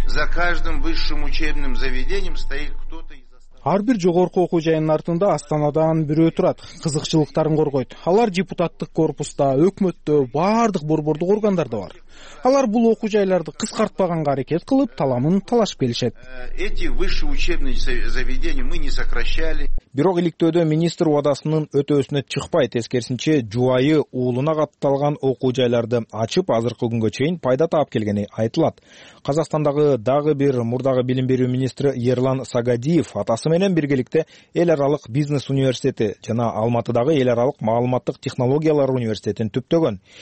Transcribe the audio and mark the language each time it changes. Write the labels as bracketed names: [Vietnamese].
[Russian] За каждым высшим учебным заведением стоит кто-то. [Kyrgyz] Ар бир жогорку окуу жайынын артында Астанадан бирөө турат, кызыкчылыктарын коргойт. Алар депутаттык корпуста, өкмөттө, баардык борбордук органдарда бар. Алар бул окуу жайларды кыскартпаганга аракет кылып, таламын талашып келишет. [Russian] Эти высшие учебные заведения мы не сокращали. [Kyrgyz] Бирок иликтөөдө министр убадасынын өтөөсүнө чыкпайт, эскерсинче жубайы уулуна катталган окуу жайларды ачып, азыркы күнгө чейин пайда таап келгени айтылат. Казакстандагы дагы бир мурдагы билим берүү министри Ерлан Сагадиев атасы менен биргеликте эл аралык бизнес университети жана Алматыдагы эл аралык маалыматтык технологиялар университетин түптөгөн.